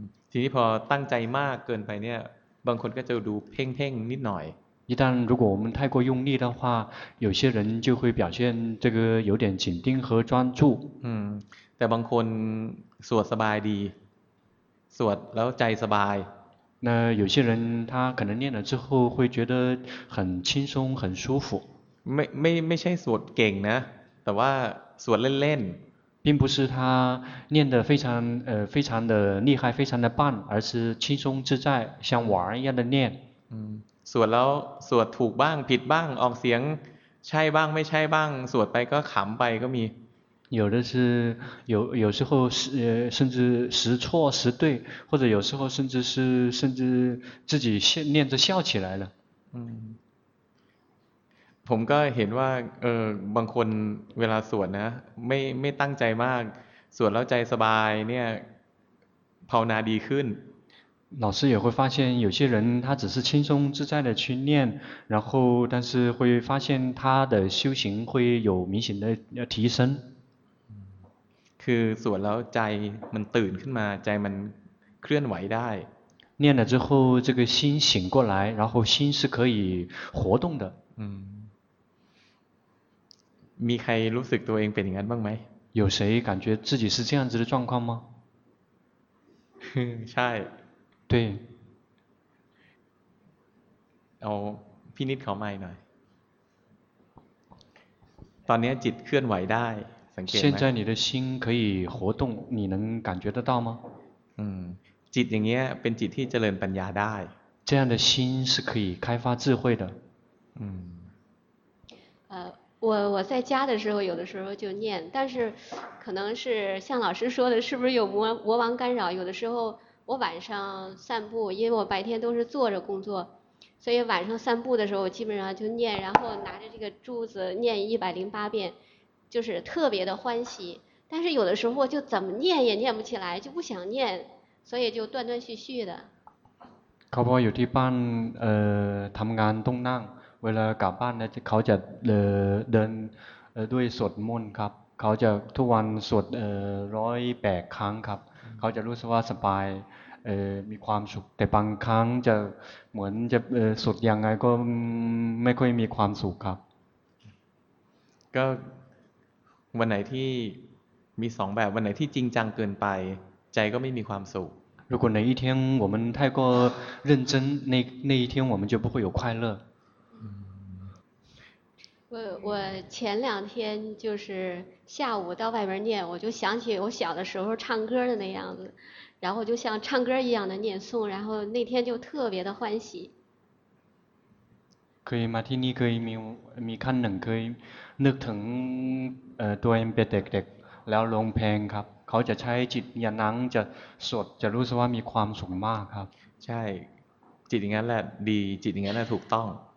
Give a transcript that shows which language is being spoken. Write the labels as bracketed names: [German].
[Thai] ทีนี้พอตั้งใจมากเกินไปเนี่ยบางคนก็จะดูเพ่งๆนิดหน่อย [Chinese] 一旦如果我们太过用力的话有些人就会表现这个有点紧盯和专注 [Thai] แต่บางคนสวดสบายดีสวดแล้วใจสบาย นะ [Chinese] 有些人他可能念了之后会觉得很轻松很舒服 [Thai] ไม่ใช่สวดเก่งนะแต่ว่าสวดเล่น [Chinese] ๆ并不是他念得非常的厉害非常的棒而是轻松自在像玩一样的念 [Thai] สวดแล้วสวดถูกบ้างผิดบ้างออกเสียงใช่บ้างไม่ใช่บ้างสวดไปก็ขำไปก็มี [Chinese] 有的是有时候甚至时错时对或者有时候甚至自己念着笑起来了 [Thai] ผมก็เห็นว่าบางคนเวลาสวดนะไม่ตั้งใจมากสวดแล้วใจสบายเนี่ย ภาวนาดีขึ้น [Chinese] 老师也会发现有些人他只是轻松自在的去念然后但是会发现他的修行会有明显的提升 [Thai] คือสวดแล้วใจมันตื่นขึ้นมาใจมันเคลื่อนไหวได้ [Chinese] 念了之后这个心醒过来然后心是可以活动的 [Thai] มีใครรู้สึกตัวเองเป็นอย่างนั้นบ้างไหม [Chinese] 有谁感觉自己是这样子的状况吗 [Thai] ใช่ [Chinese] 对 [Thai] เอาพินิจเขาใหม่หน่อยตอนนี้จิตเคลื่อนไหวได้สังเกตไหม [Chinese] 现在你的心可以活动你能感觉得到吗 [Thai] จิตอย่างเงี้ยเป็นจิตที่เจริญปัญญาได้ [Chinese] 这样的心是可以开发智慧的我在家的时候有的时候就念但是可能是像老师说的是不是有魔王干扰有的时候我晚上散步因为我白天都是坐着工作所以晚上散步的时候我基本上就念然后拿着这个柱子念108遍就是特别的欢喜但是有的时候就怎么念也念不起来就不想念所以就断断续续的 [Thai] เขาบอกอยู่ที่บ้านทำงานต้องนั่งเวลากลับบ้านเนี่ยเขาจะเดินด้วยสวดมนต์ครับเขาจะทุกวันสวด108 ครั้งครับเขาจะรู้สึกว่าสบายมีความสุขแต่บางครั้งจะเหมือนจะสุดยังไงก็ไม่ค่อยมีความสุขครับ ก็วันไหนที่มี2แบบวันไหนที่จริงจังเกินไปใจก็ไม่มีความสุข [Chinese] 如果哪一天我们太过认真那一天我们就不会有快乐我前两天就是下午到外面念我就想起我小的时候唱歌的那样子然后就像唱歌一样的念诵然后那天就特别的欢喜可以吗 [Thai] ที่นี่เคยมีคันหนึ่งเคยนึกถึงตัวเองเป็นเด็กๆแล้วร้องเพลงครับเขาจะใช้จิตอย่างนั้นจะสดจะรู้สึกว่ามีความสุขมากครับ ใช่จิตอย่างนั้นแหละดีจิตอย่างนั้นแหละถูกต้อง